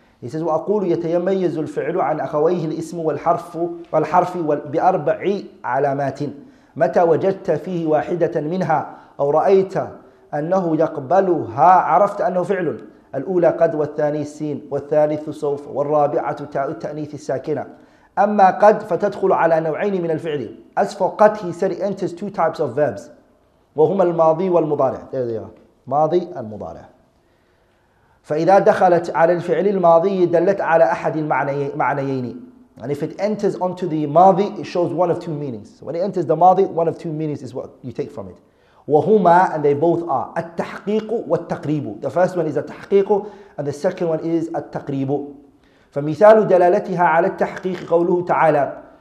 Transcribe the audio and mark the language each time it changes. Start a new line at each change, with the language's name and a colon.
English: He says,
Arabic: وَأَقُولُ يَتَيَمَيَّزُ الْفِعْلُ عَنْ أَخَوَيْهِ الْإِسْمُ وَالْحَرْفِ بِأَرْبَعِ عَلَامَاتٍ مَتَى وَجَدْتَ فِيهِ وَاحِدَةً مِنْهَا أَوْ رَأَيْتَ أَنَّهُ يَقْبَلُهَا عَرَفْتَ أَنَّهُ فِعْلٌ الأولى قد والثاني سين والثالث صوف والرابعة تاء التأنيث الساكنة أما قد فتدخل على نوعين من الفعل.
English: As for قد, he said it enters two types of verbs.
Arabic: وهما الماضي والمضارع.
English: There they are.
Arabic: ماضي المضارع. فإذا دخلت على الفعل الماضي دلت على أحد المعنيين.
English: And if it enters onto the ماضي, it shows one of two meanings. So when it enters the ماضي, one of two meanings is what you take from it.
Arabic: وهما,
English: and they both are.
Arabic: التحقيق والتقريب.
English: The first one is التحقيق and the second one is التقريب.
Arabic: فمثال دلالتها على التحقيق قوله تعالى